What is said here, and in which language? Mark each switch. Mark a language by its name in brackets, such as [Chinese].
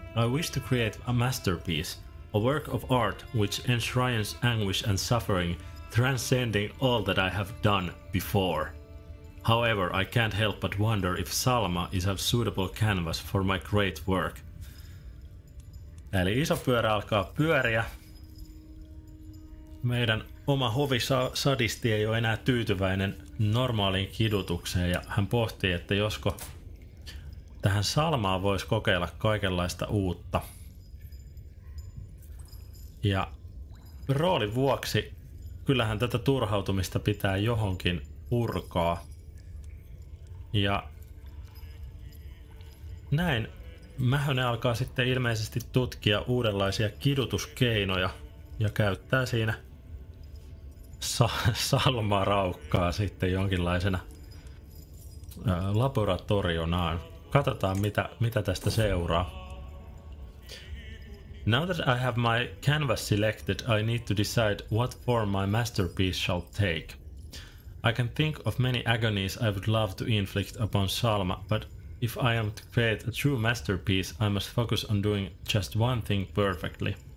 [English] I wish to create a masterpiece, a work of art which enshrines anguish and suffering, transcending all that I have done before. However, I can't help but wonder if Salma is a suitable canvas for my great work. [Finnish] Eli iso pyörä alkaa pyöriä. Meidän oma hovi sadisti ei ole enää tyytyväinen normaaliin kidutukseen ja hän pohtii, että josko tähän Salmaan voisi kokeilla kaikenlaista uutta. Ja roolin vuoksi kyllähän tätä turhautumista pitää johonkin purkaa. Ja näin. Mähönen alkaa sitten ilmeisesti tutkia uudenlaisia kidutuskeinoja ja käyttää siinä salmaraukkaa sitten jonkinlaisena laboratorionaan. Katsotaan mitä tästä seuraa. [English] Now that I have my canvas selected, I need to decide what form my masterpiece shall take. I can think of many agonies I would love to inflict upon Salma, but If I am to create a true masterpiece, I must focus on doing just one thing perfectly.